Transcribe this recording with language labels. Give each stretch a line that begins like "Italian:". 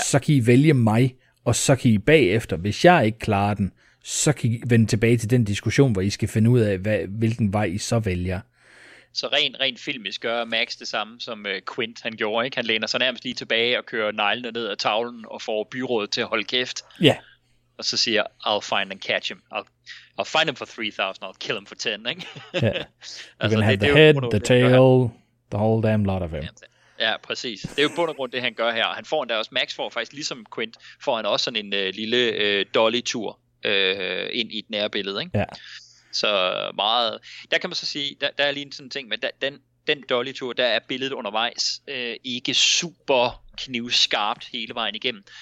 Danish: Så kan I vælge mig, og så kan I bagefter, hvis jeg ikke klarer den, så kan I vende tilbage til den diskussion, hvor I skal finde ud af, hvilken vej I så vælger. Så rent filmisk gør Max det samme, som Quint han gjorde, ikke? Han læner sig nærmest lige tilbage og kører neglene ned ad tavlen og får byrådet til at holde kæft. Ja. Og så siger,
English: I'll find and catch him. I'll find him for 3,000, I'll kill him for 10,
Danish: ikke?
English: Yeah. You're altså, gonna have the head, the tail, the whole damn lot of him.
Danish: Ja, præcis. Det er jo bund og grund, det han gør her. Han får endda også, Max får faktisk ligesom Quint, får han også sådan en lille dolly-tur ind i et nærbillede, ikke? Ja. Yeah. Så meget, der kan man så sige, der er lige en sådan ting, men den dolly-tur, der er billedet undervejs ikke super knivskarpt hele vejen igennem.